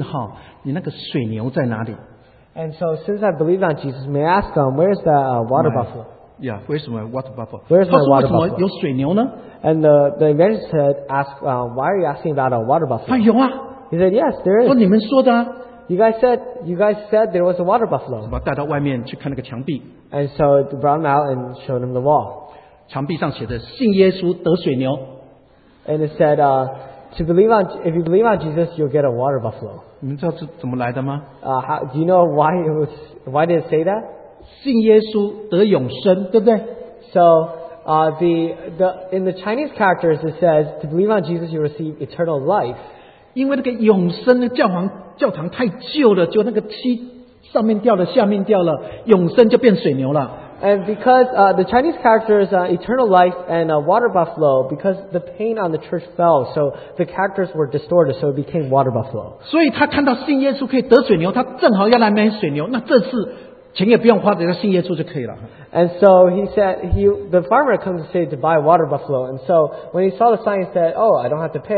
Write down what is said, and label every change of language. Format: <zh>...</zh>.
<zh>哦，那既然我信了耶稣，那么请问哈，你那个水牛在哪里？</zh> <en>And so since I believe on Jesus, may I ask him, where's the water buffalo? Yeah, where's my water buffalo? Where's my water buffalo?</en> <zh>他说为什么有水牛呢？</zh> <en>And the evangelist said, why are you asking about a water buffalo?</en> <zh>他有啊。</zh> <en>He said, yes, there is.</en> <zh>说你们说的啊。</zh> <en>You guys said there was a water buffalo.</en> <zh>带到外面去看那个墙壁。</zh> <en>And so he brought him out and showed him the wall.</en> <zh>墙壁上写着信耶稣得水牛。</zh> <en>And it said, if you believe on Jesus, you'll get a water buffalo.</en> <zh>你们知道是怎么来的吗？</zh> <en>Do you know why did it say that?</en> <zh>信耶稣得永生，对不对？</zh> <en>So in the Chinese characters it says to believe on Jesus you receive eternal life.</en> <zh>因为那个永生的教皇 教堂太旧了，就那个漆上面掉了，下面掉了，永生就变水牛了。</zh> <en>And because the Chinese characters eternal life and water buffalo, because the paint on the church fell, so the characters were distorted, so it became water buffalo.</en> <zh>所以他看到信耶稣可以得水牛，他正好要来买水牛，那这次钱也不用花，只要信耶稣就可以了。</zh> <en>And so he said the farmer comes to say to buy water buffalo, and so when he saw the sign, he said, "Oh, I don't have to pay.</en>